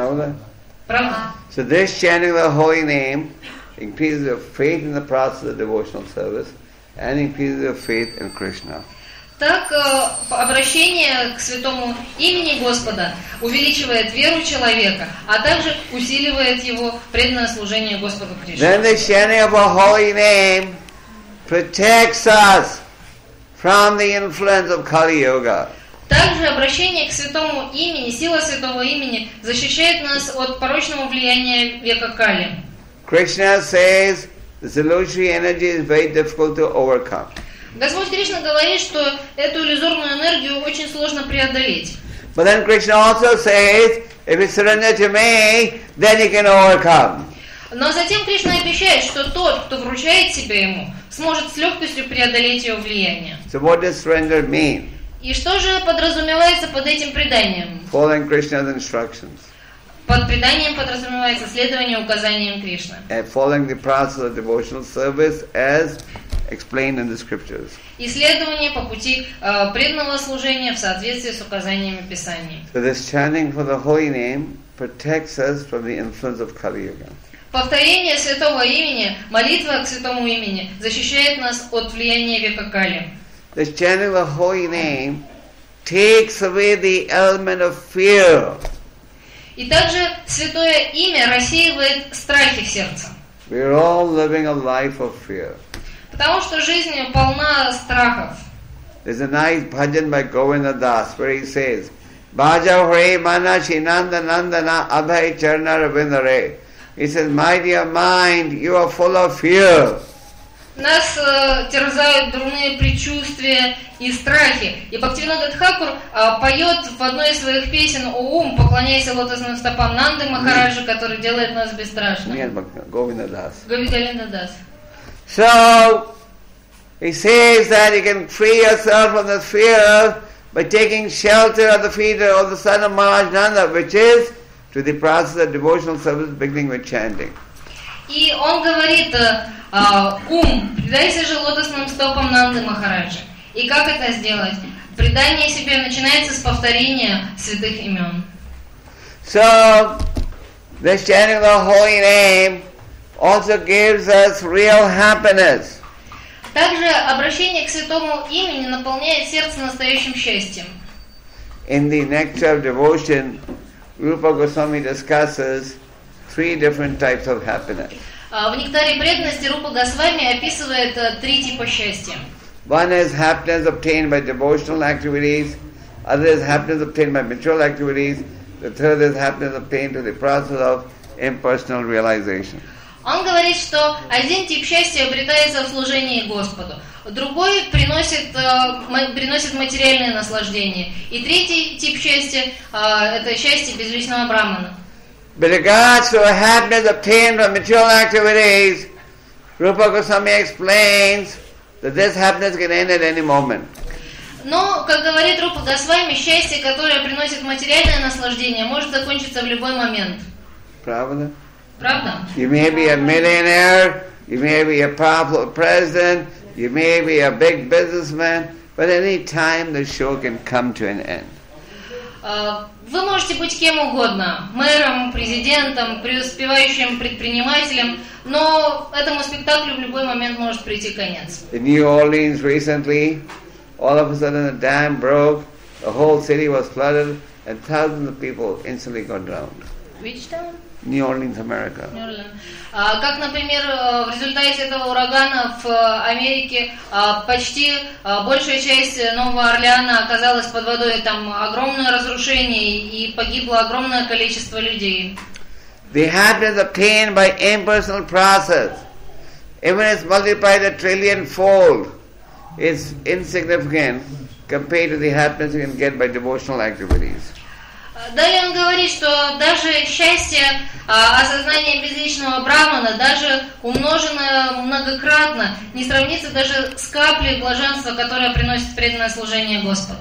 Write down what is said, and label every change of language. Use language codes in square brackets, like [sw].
[ru] Правда? Правда. [en] So this chanting the holy name increases your faith in the process of devotional service and increases your faith in Krishna. [ru] Так обращение к святому имени Господа увеличивает веру человека, а также усиливает его преданное служение Господу Кришне. [en] Then the chanting of a holy name protects us from the influence of Kali Yuga. [ru] Также обращение к святому имени, сила святого имени защищает нас от порочного влияния века Кали. [en] Krishna says this illusory energy is very difficult to overcome. [ru] Господь Кришна говорит, что эту иллюзорную энергию очень сложно преодолеть. [en] But then Krishna also says, if you surrender to me, then you can overcome. [ru] Но затем Кришна обещает, что тот, кто вручает себя ему, сможет с легкостью преодолеть ее влияние. [en] So what does surrender mean? [ru] И что же подразумевается под этим преданием? [en] Following Krishna's instructions. [ru] Под преданием подразумевается следование указаниям Кришны. [en] And following the process of devotional service as explained in the scriptures. [ru] Исследование по пути преданного служения в соответствии с указаниями Писания. [en] So this chanting for the holy name protects us from the influence of Kali Yuga. [ru] Повторение святого имени, молитва к святому имени защищает нас от влияния века Кали. [en] This chanting the holy name takes away the element of fear. [ru] И также святое имя рассеивает страхи в сердце. [en] We are all living a life of fear. [ru] Потому что жизнь полна страхов. [en] There's a nice bhajan by Govinda Das where he says, [bn] "Bhajav re mana chinanda nandana abhay charna ravindare." [en] He says, "My dear mind, you are full of fear." [ru] Нас терзают дурные предчувствия и страхи. И Бхактивинода Тхакур поет в одной из своих песен «О ум, поклоняйся лотосным стопам Нанды Махараджи, который делает нас бесстрашными». Нет, Говинда Дас. Говинда Дас. [en] So, he says that you can free yourself from the fear by taking shelter at the feet of the son of Maharaj Nanda, which is to the process of devotional service beginning with chanting. [ru] И он говорит, предайся же лотосным стопам Нанды Махараджи. И как это сделать? Предание себе начинается с повторения святых имен. [en] So, this chanting the holy name also gives us real happiness. [ru] Также обращение к святому имени наполняет сердце настоящим счастьем. [en] In the Nectar of Devotion, Rupa Goswami discusses three different types of happiness. [ru] В нектаре преданности Рупа Госвами описывает три типа счастья. [en] One is happiness obtained by devotional activities, other is happiness obtained by material activities, the third is happiness obtained through the process of impersonal realization. [ru] Он говорит, что один тип счастья обретается в служении Господу, другой приносит материальное наслаждение, и третий тип счастья это счастье безличного брахмана. [en] But regards to happiness obtained from material activities, Rupa Goswami explains that this happiness can end at any moment. [ru] Но, как говорит Рупа Госвами, счастье, которое приносит материальное наслаждение, может закончиться в любой момент. Правда? Правда? [en] You may be a millionaire, you may be a powerful president, you may be a big businessman, but any time the show can come to an end. [ru] Вы можете быть кем угодно, мэром, президентом, преуспевающим предпринимателем, но этому спектаклю в любой момент может прийти конец. [en] In New Orleans recently, all of a sudden a dam broke, the whole city was flooded, and thousands of people instantly got drowned. Which town? New Orleans, America. New Orleans. [ru] Как, например, в результате этого урагана в Америке почти большая часть Нового Орлеана оказалась под водой. Там огромное разрушение и погибло огромное количество людей. [en] The happiness obtained by impersonal process, even if multiplied a trillion fold, is insignificant compared to the happiness you can get by devotional activities. [ru] Далее он говорит, что даже счастье осознания безличного брахмана, даже умноженное многократно, не сравнится даже с каплей блаженства, которое приносит преданное служение Господу.